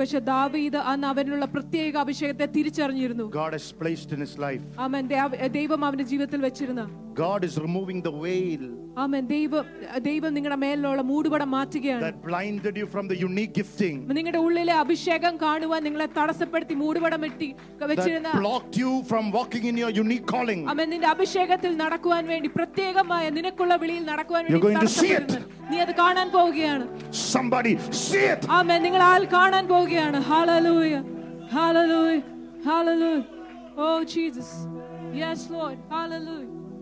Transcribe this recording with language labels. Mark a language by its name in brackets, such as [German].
[Malayalam] പക്ഷേ ദാവീദ് അന്ന് അവനുള്ള പ്രത്യേക അഭിഷേകത്തെ തിരിച്ചറിഞ്ഞിരുന്നു. [English] God has placed in his life. [Malayalam] ആമേൻ. ദൈവം അവന്റെ ജീവിതത്തിൽ വെച്ചിരുന്ന. [English] God is removing the veil. [Malayalam] ആമേൻ. ദൈവം നിങ്ങളുടെ മേലുള്ള മൂടുപടം മാറ്റുകയാണ്. [English] That blinded you from the unique gifting. [Malayalam] നിങ്ങളുടെ ഉള്ളിലെ അഭിഷേകം കാണുവാൻ നിങ്ങളെ തടസ്സപ്പെടുത്തി മൂടുപടം ഇട്ടി വെച്ചിരുന്ന. [English] That blocked you from walking in your unique calling. [Malayalam] ആമേൻ. നിന്റെ അഭിഷേകത്തിൽ നടക്കുവാൻ വേണ്ടി, പ്രത്യേകമായ നിനക്കുള്ള വിളിയിൽ നടക്കുവാൻ വേണ്ടി. [English] You're going to see it. [Malayalam] നീ അത് കാണാൻ പോവുകയാണ്. [English] Somebody see it. [Malayalam] ആമേൻ. നിങ്ങൾ ആൾ കാണാൻ പോവുകയാണ്. Hallelujah. Hallelujah. [English] Hallelujah. Oh Jesus. Yes Lord. Hallelujah.